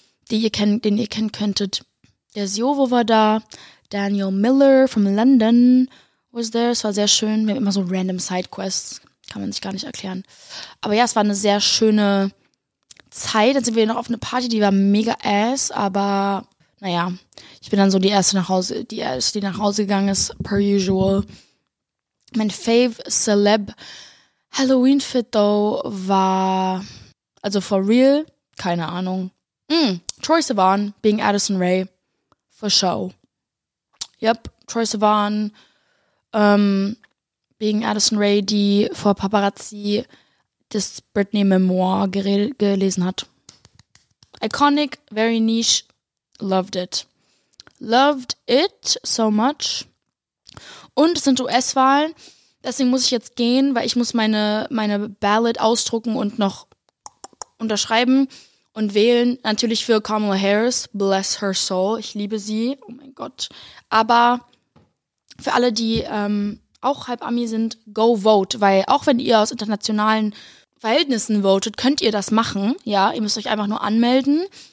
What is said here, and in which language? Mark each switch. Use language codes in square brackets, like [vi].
[de] Den ihr kennen könntet. Der Siovo war da, Daniel Miller [en] from London was there, [de] es war sehr schön, wir haben immer so random Sidequests, kann man sich gar nicht erklären. Aber ja, es war eine sehr schöne Zeit, dann sind wir noch auf eine Party, die war mega ass, aber naja, ich bin dann so die erste, die nach Hause gegangen ist, [en] per usual. [de] Mein Fave Celeb Halloween Fit though war, also [en] for real, [de] keine Ahnung. Troye Sivan, Being Addison Rae, [en] for show. [de] Yep, Troye Sivan, Being Addison Rae, die vor Paparazzi das Britney Memoir gelesen hat. [en] Iconic, very niche, loved it. Loved it so much. [de] Und es sind US-Wahlen, deswegen muss ich jetzt gehen, weil ich muss meine Ballot ausdrucken und noch unterschreiben und wählen. Natürlich für Kamala Harris, [en] bless her soul, [de] ich liebe sie, oh mein Gott. Aber für alle, die auch halb Ami sind, [en] go vote, [de] weil auch wenn ihr aus internationalen Verhältnissen votet, könnt ihr das machen, ja, ihr müsst euch einfach nur anmelden.